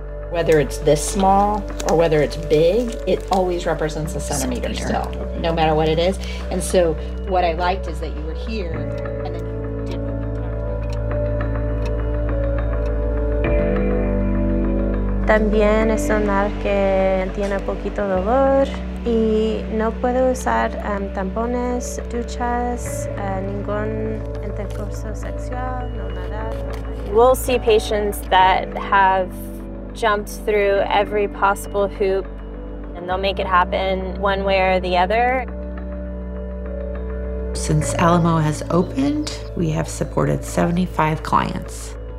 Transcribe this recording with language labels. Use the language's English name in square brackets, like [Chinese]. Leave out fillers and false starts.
[English] Whether it's this small or whether it's big, it always represents a centimeter still, no matter what it is. And so what I liked is that you were here and then you didn't. [Spanish] También es un mar que tiene poquito dolor y no puedo usar tampones, duchas, ningún intercurso sexual, no nada. [English] We'll see patients that have jumped through every possible hoop, and they'll make it happen one way or the other. Since Alamo has opened, we have supported 75 clients.